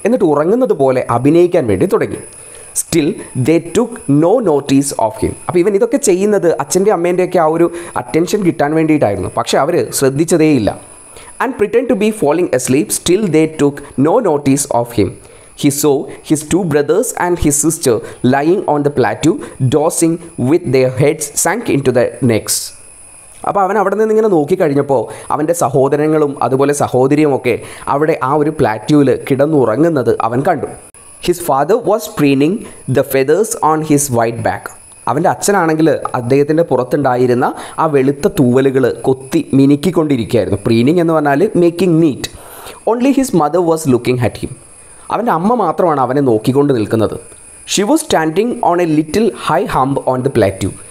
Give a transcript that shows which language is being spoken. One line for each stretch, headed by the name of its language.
Malayalam: എന്നിട്ട് ഉറങ്ങുന്നത് പോലെ അഭിനയിക്കാൻ വേണ്ടി തുടങ്ങി.
English: Still they took no notice of him.
Malayalam: അപ്പോൾ ഇവൻ ഇതൊക്കെ ചെയ്യുന്നത് അച്ഛൻ്റെ അമ്മേൻ്റെയൊക്കെ ആ ഒരു അറ്റൻഷൻ കിട്ടാൻ വേണ്ടിയിട്ടായിരുന്നു. പക്ഷേ അവർ ശ്രദ്ധിച്ചതേയില്ല.
English: And pretend to be falling asleep still they took no notice of him. He saw his two brothers and his sister lying on the plateau, dozing with their heads sunk into their necks.
Malayalam: അപ്പോൾ അവൻ അവിടെ നിന്ന് ഇങ്ങനെ നോക്കിക്കഴിഞ്ഞപ്പോൾ അവൻ്റെ സഹോദരങ്ങളും അതുപോലെ സഹോദരിയും ഒക്കെ അവിടെ ആ ഒരു പ്ലാറ്റൂവിൽ കിടന്നുറങ്ങുന്നത് അവൻ കണ്ടു.
English: His father was preening the feathers on his white back.
Malayalam: അവൻ്റെ അച്ഛനാണെങ്കിൽ അദ്ദേഹത്തിൻ്റെ പുറത്തുണ്ടായിരുന്ന ആ വെളുത്ത തൂവലുകൾ കൊത്തി മിനുക്കിക്കൊണ്ടിരിക്കുകയായിരുന്നു.
English: preening
Malayalam: എന്ന് പറഞ്ഞാൽ
English: Making neat. Only his mother was looking at him.
Malayalam: അവൻ്റെ അമ്മ മാത്രമാണ് അവനെ നോക്കിക്കൊണ്ട് നിൽക്കുന്നത്.
English: She was standing on a little high hump on the plateau.